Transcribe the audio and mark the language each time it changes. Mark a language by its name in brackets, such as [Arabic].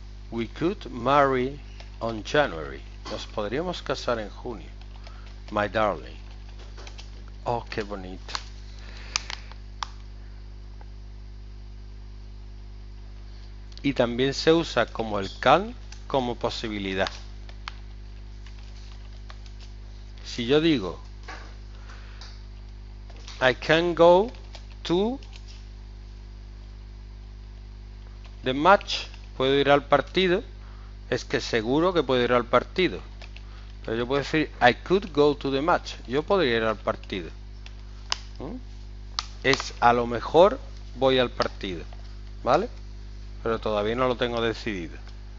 [English] We could marry on January. [Spanish] Nos podríamos casar en junio. [English] My darling. [Spanish] Oh, qué bonito. Y también se usa como el can, como posibilidad. Si yo digo, [English] I can go to the match. [Spanish] Puedo ir al partido, es que seguro que puedo ir al partido. Pero yo puedo decir, [English] I could go to the match. [Spanish] Yo podría ir al partido. Es a lo mejor voy al partido. ¿Vale? Pero todavía no lo tengo decidido.